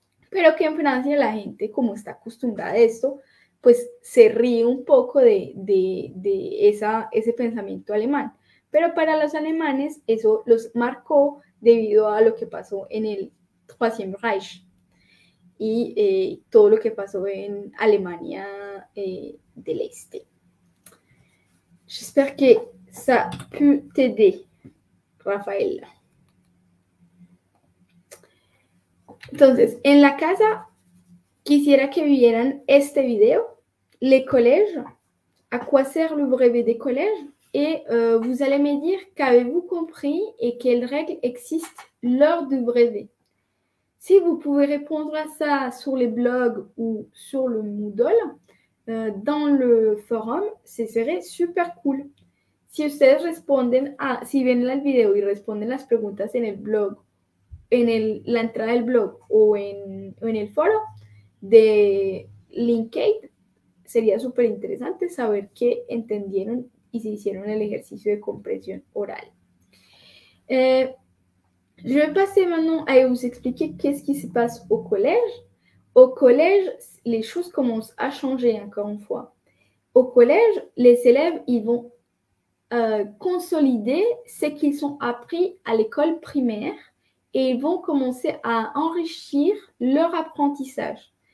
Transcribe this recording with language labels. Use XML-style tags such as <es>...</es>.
<es>Pero que en Francia la gente, como está acostumbrada a esto, pues se ríe un poco de ese pensamiento alemán. Pero para los alemanes eso los marcó debido a lo que pasó en el Troisième Reich y todo lo que pasó en Alemania del Este.</es> <fr>J'espère que ça peut t'aider, Rafael.</fr> <es>Entonces, en la casa quisiera que vieran este video,</es> <fr>les collèges, à quoi sert le brevet des collèges, et vous allez me dire qu'avez-vous compris et quelles règles existent lors du brevet. Si vous pouvez répondre à ça sur les blogs ou sur le Moodle, dans le forum, ce serait super cool.</fr> <es>Si ustedes responden a, si ven la vidéo y responden las preguntas en el blog, la entrada del blog o en el foro de LinkedIn, sería súper interesante saber qué entendieron y se hicieron el ejercicio de comprensión oral.</es> <fr>Je vais passer maintenant à vous expliquer qu'est-ce qui se passe au collège. Au collège, les choses commencent à changer encore une fois. Au collège, les élèves, ils vont consolider ce qu'ils ont appris à l'école primaire et ils vont commencer à enrichir leur apprentissage.</fr>